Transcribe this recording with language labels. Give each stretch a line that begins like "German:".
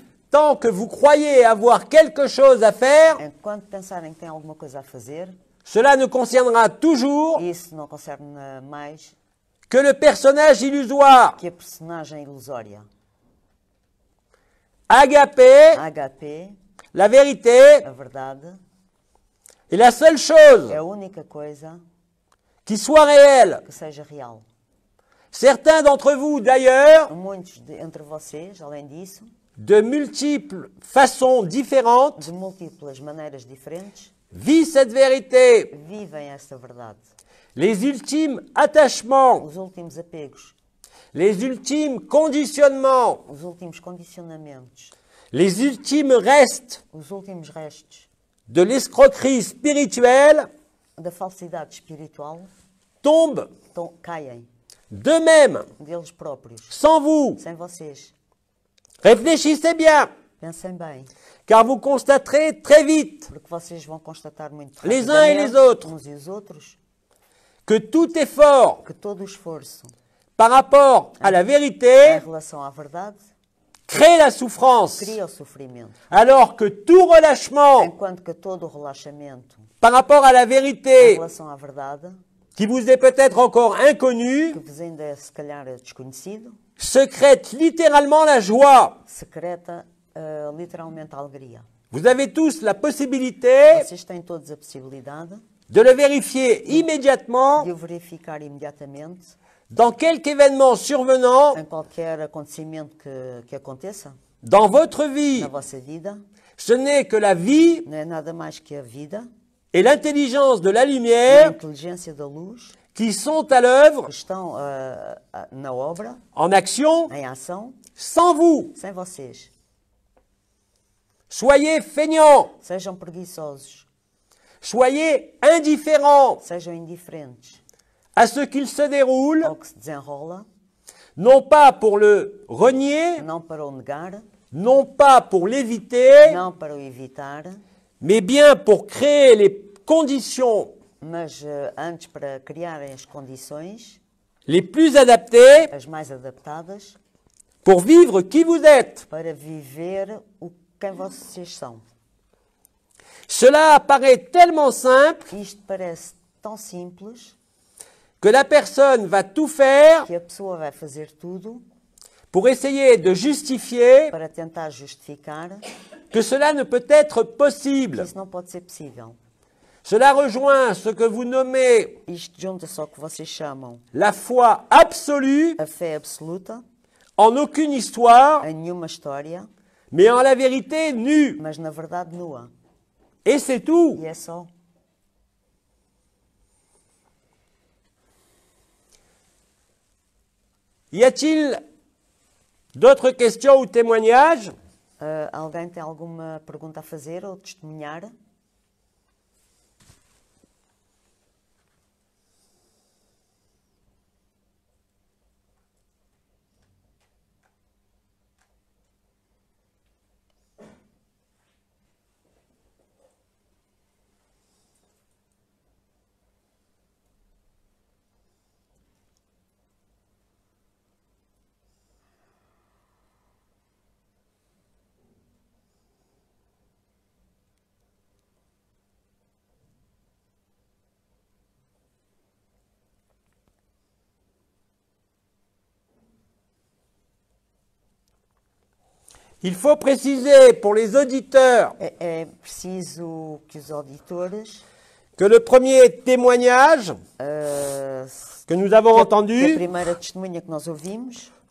French: Tant que vous croyez avoir quelque chose à faire.
Portuguese: Enquanto pensarem que têm alguma coisa a fazer.
French: Cela ne concernera toujours.
Portuguese: Isso não concerne mais.
French: Que le personnage illusoire.
Portuguese: Que a personagem ilusória.
French: Agapé.
Portuguese: Agapé.
French: La vérité.
Portuguese: A verdade.
French: Et la seule chose.
Portuguese: É a única coisa.
French: Qui soit réelle.
Portuguese: Que seja real.
French: Certains d'entre vous, d'ailleurs,
Portuguese: muitos entre vocês, além disso,
French: de multiples façons différentes,
Portuguese: de múltiples maneiras diferentes,
French: vivent cette vérité,
Portuguese: vivem essa verdade.
French: Les ultimes attachements,
Portuguese: os últimos apegos,
French: les ultimes conditionnements,
Portuguese: os últimos condicionamentos,
French: les ultimes restes,
Portuguese: os últimos restes,
French: de l'escroquerie spirituelle,
Portuguese: da falsidade espiritual,
French: tombent,
Portuguese: caem.
French: D'eux-mêmes,
Portuguese: deles próprios,
French: sans vous,
Portuguese: sem vocês.
French: Réfléchissez bien,
Portuguese: pensem bem,
French: car vous constaterez très vite,
Portuguese: porque vocês vão constatar muito
French: rapidamente, les uns et les autres,
Portuguese: uns e os outros,
French: que tout effort,
Portuguese: que todo esforço,
French: par rapport à la vérité,
Portuguese: em relação à verdade,
French: crée la souffrance,
Portuguese: cria o sofrimento,
French: alors que tout relâchement,
Portuguese: enquanto que todo o relaxamento,
French: par rapport à la vérité,
Portuguese: em relação à verdade,
French: qui vous est peut-être encore inconnu,
Portuguese: que
French: vous
Portuguese: ainda é, se calhar, desconhecido,
French: secrète littéralement la joie.
Portuguese: Secreta, literalmente, a alegria.
French: Vous avez tous la possibilité,
Portuguese: vocês têm todos a possibilidade,
French: de le vérifier immédiatement,
Portuguese: de o verificar imediatamente,
French: dans quelque événement survenant,
Portuguese: em qualquer acontecimento que aconteça,
French: dans votre vie,
Portuguese: na vossa vida,
French: ce n'est que la vie,
Portuguese: não é nada mais que a vida,
French: et l'intelligence de la lumière, l'intelligence de la
Portuguese: luz,
French: qui sont à l'œuvre,
Portuguese: estão, na obra,
French: en action,
Portuguese: em ação,
French: sans vous.
Portuguese: Sem vocês.
French: Soyez feignants.
Portuguese: Sejam preguiçosos.
French: Soyez indifférents.
Portuguese: Sejam indiferentes.
French: À ce qu'il se déroule.
Portuguese: Ao que se desenrola,
French: non pas pour le renier.
Portuguese: Não para o negar,
French: non pas pour l'éviter.
Portuguese: Não para o evitar.
French: Mais bien pour créer les conditions,
Portuguese: mas antes para criar as condições,
French: les plus adaptées,
Portuguese: as mais adaptadas,
French: pour vivre qui vous êtes,
Portuguese: para viver o quem vocês são.
French: Cela apparaît tellement simple,
Portuguese: isto parece tão simples,
French: que la personne va tout faire,
Portuguese: que a pessoa vai fazer tudo,
French: pour essayer de justifier,
Portuguese: para tentar justificar,
French: que cela ne peut être possible.
Portuguese: Isso não pode ser possível.
French: Cela rejoint ce que vous nommez,
Portuguese: isto junta-se ao que vocês chamam,
French: la foi absolue,
Portuguese: a fé absoluta,
French: en aucune histoire,
Portuguese: em nenhuma história,
French: mais en la vérité nue,
Portuguese: mas na verdade nua.
French: Et c'est tout.
Portuguese: E é só.
French: Y a-t-il d'autres questions ou témoignages?
Portuguese: Alguém tem alguma pergunta a fazer ou testemunhar?
French: Il faut préciser pour les auditeurs,
Portuguese: é preciso que os auditores,
French: que le premier témoignage que nous avons
Portuguese: que,
French: entendu,
Portuguese: que a primeira testemunha que nós ouvimos,